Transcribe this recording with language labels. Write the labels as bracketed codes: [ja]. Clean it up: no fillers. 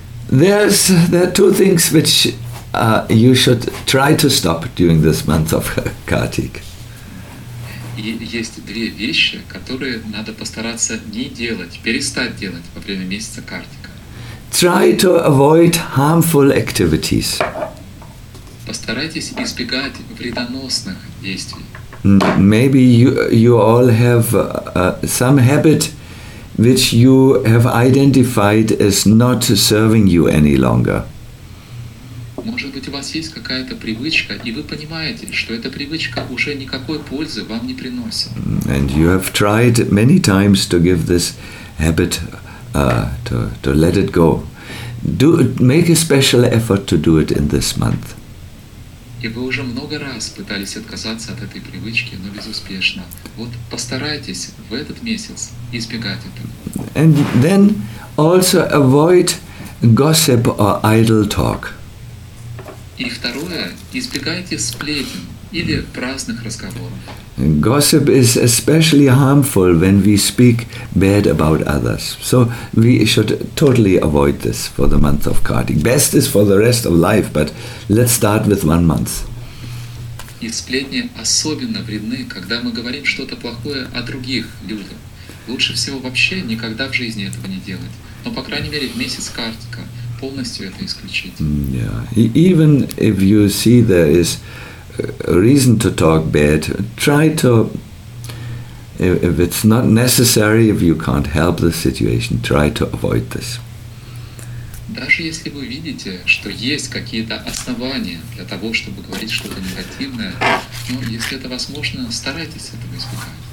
[en] There are two things which you should try to stop during this month of Kartik. [ru] Есть две вещи, которые надо постараться не делать, перестать делать во время месяца Картика. [en] Try to avoid harmful activities. [ru] Постарайтесь избегать вредоносных действий. [en] Maybe you all have some habit which you have identified as not serving you any longer. [ru] Может быть, у вас есть какая-то привычка, и вы понимаете, что эта привычка уже никакой пользы вам не приносит. [en] And you have tried many times to give this habit to let it go. Do make a special effort to do it in this month. [ru] И вы уже много раз пытались отказаться от этой привычки, но безуспешно. Вот постарайтесь в этот месяц избегать этого. [en] And then also avoid gossip or idle talk. [ru] И второе, избегайте сплетен или праздных разговоров. [en] Gossip is especially harmful when we speak bad about others. So we should totally avoid this for the month of Kartik. Best is for the rest of life, but let's start with 1 month. [ru] И сплетни особенно вредны, когда мы говорим что-то плохое о других людях. Лучше всего вообще никогда в жизни этого не делать. Но, по крайней мере, в месяц Картика полностью это исключить. [en] Yeah. Even if you see there is reason to talk bad, try to, if it's not necessary, if you can't help the situation, try to avoid this. [ru] Даже если вы видите, что есть какие-то основания для того, чтобы говорить что-то негативное, но если это возможно, старайтесь этого избегать.